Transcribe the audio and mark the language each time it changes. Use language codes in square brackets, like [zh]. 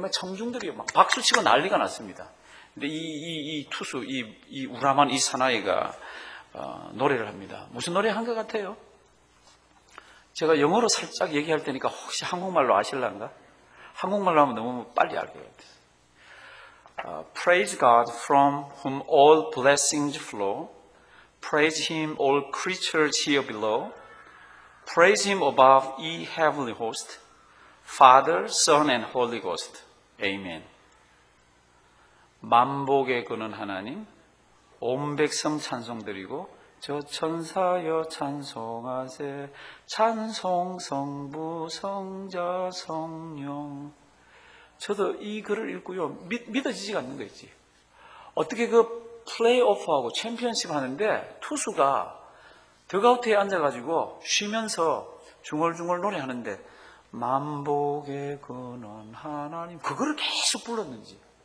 [ko] 청중들이 막 박수치고 난리가 났습니다. 근데 이 우람한 이 사나이가, 노래를 합니다. 무슨 노래 한 것 같아요? 제가 영어로 살짝 얘기할 테니까 혹시 한국말로 아실란가? 한국말로 하면 너무 빨리 알 것 같아요. [en] Praise God from whom all blessings flow. Praise Him, all creatures here below. Praise Him above, ye heavenly host. Father, Son, and Holy Ghost. Amen. [ko] 만복의 그는 하나님, 온 백성 찬송 드리고, 저 천사여 찬송하세, 찬송 성부, 성자, 성령. 저도 이 글을 읽고요, 믿어지지 않는 거 있지. 어떻게 그 플레이오프하고 챔피언십 하는데, 투수가 덕아웃에 앉아가지고 쉬면서 중얼중얼 노래하는데, 만복의 근원 하나님, 그거를 계속 불렀는지.